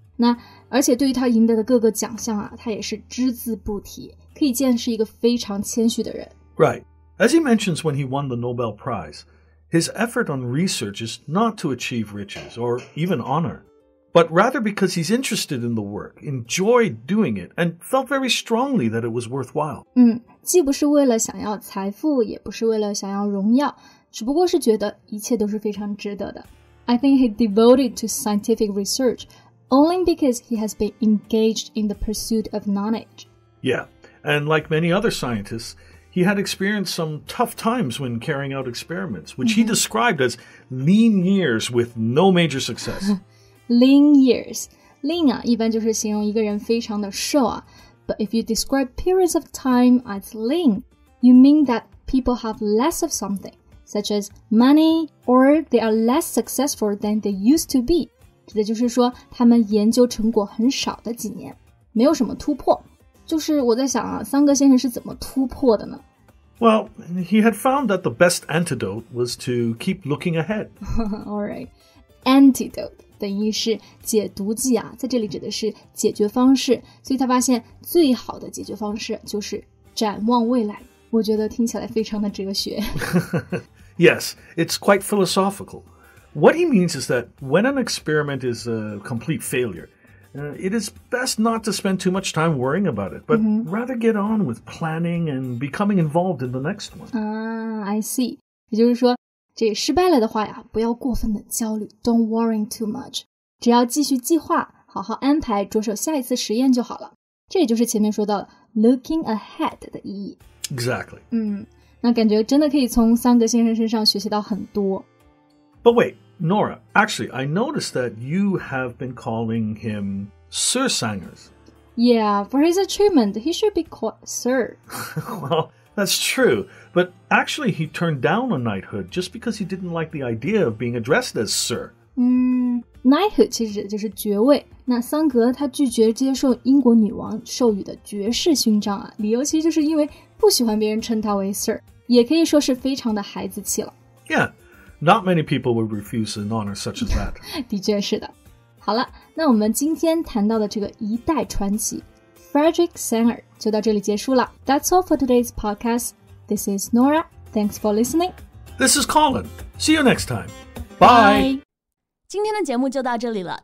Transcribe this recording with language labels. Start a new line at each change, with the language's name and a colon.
Chinese: 那而且对于他赢得的各个奖项啊，他也是只字不提，可以见是一个非常谦虚的人。
English: Right. As he mentions when he won the Nobel Prize, his effort on research is not to achieve riches or even honor. But rather because he's interested in the work, enjoyed doing it, and felt very strongly that it was worthwhile.
Chinese: 既不是为了想要财富，也不是为了想要荣耀，只不过是觉得一切都是非常值得的。
English: I think he devoted to scientific research only because he has been engaged in the pursuit of knowledge. Yeah, and like many other scientists, he had experienced some tough times when carrying out experiments, which he described as lean years with no major success. Lean years.
Chinese: Lean 啊，一般就是形容一个人非常的瘦啊。
English: But if you describe periods of time as lean, you mean that people have less of something, such as money, or they are less successful than they used to be.
Chinese: 指的就是说他们研究成果很少的几年，没有什么突破。就是我在想啊，桑格先生是怎么突破的呢？
English: Well, he had found that the best antidote was to keep looking ahead. All right. Antidote.
Chinese: 等于是解毒剂啊，在这里指的是解决方式，所以他发现最好的解决方式就是展望未来。我觉得听起来非常的哲学。
English: Yes, it's quite philosophical. What he means is that when an experiment is a complete failure, it is best not to spend too much time worrying about it, but rather get on with planning and becoming involved in the next one. I see.
Chinese: 也就是说这失败了的话呀，不要过分的焦虑 ，
English: Don't worry too much，
Chinese: 只要继续计划，好好安排，着手下一次实验就好了。这也就是前面说到的 looking ahead 的意义。
English: Exactly.
Chinese: 那感觉真的可以从桑格先生身上学习到很多。
English: But wait, Nora, actually, I noticed that you have been calling him Sir Sangers. Yeah, for his achievement, he should be called Sir. Well. That's true, but actually he turned down a knighthood just because he didn't like the idea of being addressed as Sir.
Chinese: Knighthood 其实就是爵位。那桑格他拒绝接受英国女王授予的爵士勋章啊，理由其实就是因为不喜欢别人称他为 Sir， 也可以说是非常的孩子气了。
English: Yeah, not many people would refuse an honor such as that.
Chinese: 的确是的。好了，那我们今天谈到的这个一代传奇。
English: Frederick Sanger
Chinese: 就到这里结束了。
English: That's all for today's podcast. This is Nora. Thanks for listening. This is Colin. See you next time. Bye.
Chinese: 今天的节目就到这里了。